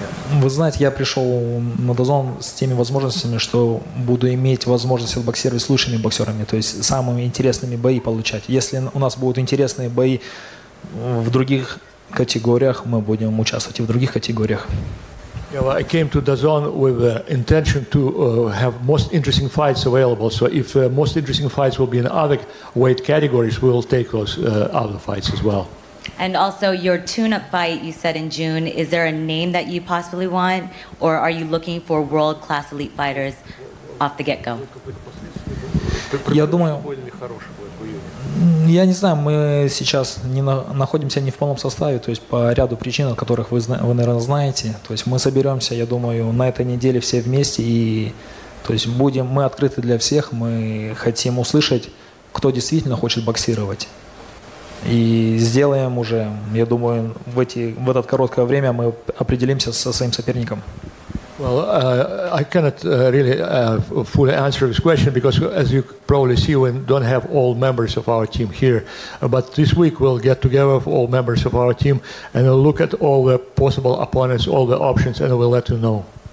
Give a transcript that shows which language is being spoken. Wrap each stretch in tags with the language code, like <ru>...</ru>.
<ru>Вы знаете, я пришел на DAZN с теми возможностями, что буду иметь возможность отбоксировать с лучшими боксерами, то есть самыми интересными бои получать. Если у нас будут интересные бои в других категориях, мы будем участвовать и в других категориях.</ru> <en>Yeah, well, I came to DAZN with the intention to have most interesting fights available. So if most interesting fights will be in other weight categories, we'll take those other fights as well. And also, your tune-up fight, you said in June, is there a name that you possibly want, or are you looking for world-class elite fighters off the get-go?</en> <ru>Я думаю, я не знаю, мы сейчас находимся не в полном составе, то есть по ряду причин, о которых вы, наверное, знаете. То есть мы соберемся, я думаю, на этой неделе все вместе, и то есть будем, мы открыты для всех, мы хотим услышать, кто действительно хочет боксировать. И сделаем уже, я думаю, в это короткое время мы определимся со своим соперником.</ru> <en>Well, I cannot really fully answer this question because, as you probably see, we don't have all members of our team here. But this week we'll get together with all members of our team and we'll look at all the possible opponents, all the options, and we'll let you know.</en>